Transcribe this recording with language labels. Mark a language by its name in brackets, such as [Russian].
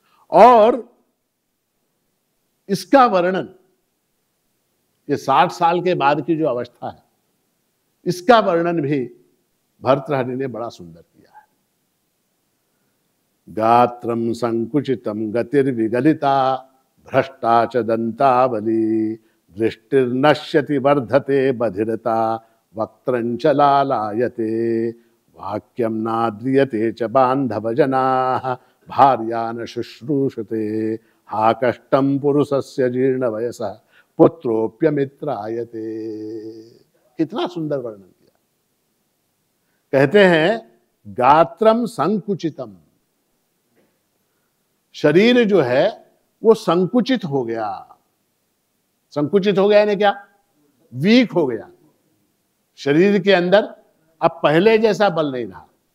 [Hindi] और इसका वर्णन, ये 60 साल के बाद की जो अवस्था है इसका वर्णन भी भर्तृहरि ने बड़ा सुंदर किया है। [Sanskrit] गात्रम संकुचितम गतिर्विगलिता भ्रष्टा च दंतावली दृष्टिर नश्यति वर्धते बधिरता वक्त्रं च लालायते वाक्यं नाद्रियते च बान्धवजनाः भार्यान शुश्रूषते हाकष्टं पुरुषस्य जीर्णवयसः पुत्रोऽप्यमित्रायते। [Hindi] कितना सुंदर वर्णन किया। कहते हैं [Sanskrit] गात्रं संकुचितम्, [Hindi] शरीर जो है वो संकुचित हो गया। संकुचित हो गया यानी क्या? वीक हो गया शरीर के अंदर, अब पहले जैसा बल नहीं रहा।